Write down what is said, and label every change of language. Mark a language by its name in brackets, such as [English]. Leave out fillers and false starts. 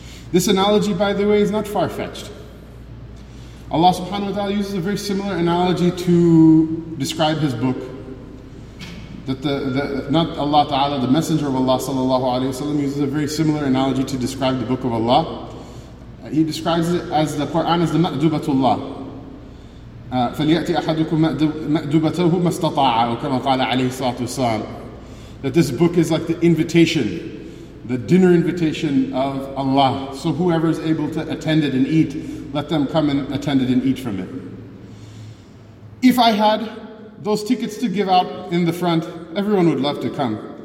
[English] This analogy, by the way, is not far-fetched. Allah subhanahu wa ta'ala uses a very similar analogy to describe His book. That the messenger of Allah sallallahu alayhi wa sallam uses a very similar analogy to describe the book of Allah. He describes it as the Quran as the Ma'dubatullah. [Arabic] فليأتي أحدكم مأدبته ما استطاع وكما قال عليه الصلاة والسلام. [English] That this book is like the invitation, the dinner invitation of Allah. So whoever is able to attend it and eat, let them come and attend it and eat from it. If I had those tickets to give out in the front, everyone would love to come.